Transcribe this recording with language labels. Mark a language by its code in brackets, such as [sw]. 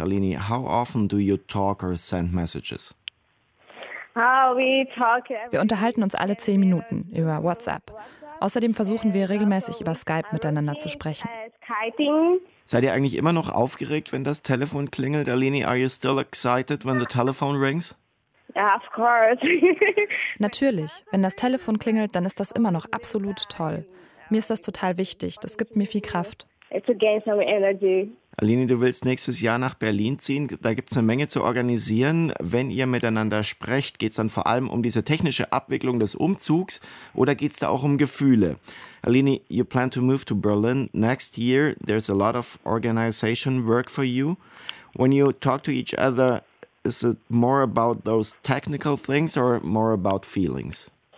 [en] Aline, how often do you talk or send messages? [de] Wir unterhalten uns alle 10 Minuten über WhatsApp. Außerdem versuchen wir regelmäßig über Skype miteinander zu sprechen. Seid ihr eigentlich immer noch aufgeregt, wenn das Telefon klingelt? [en] Aline, are you still excited when the telephone rings? Yeah, of course. [de] Natürlich. Wenn das Telefon klingelt, dann ist das immer noch absolut toll. Mir ist das total wichtig. Das gibt mir viel Kraft. [en] It's to gain some energy. [de] Aline, du willst nächstes Jahr nach Berlin ziehen. Da gibt es eine Menge zu organisieren. Wenn ihr miteinander sprecht, geht es dann vor allem um diese technische Abwicklung des Umzugs oder geht es da auch um Gefühle? [en] Aline, you plan to move to Berlin next year. There's a lot of organization work for you. When you talk to each other, is it more about those technical things or more about feelings?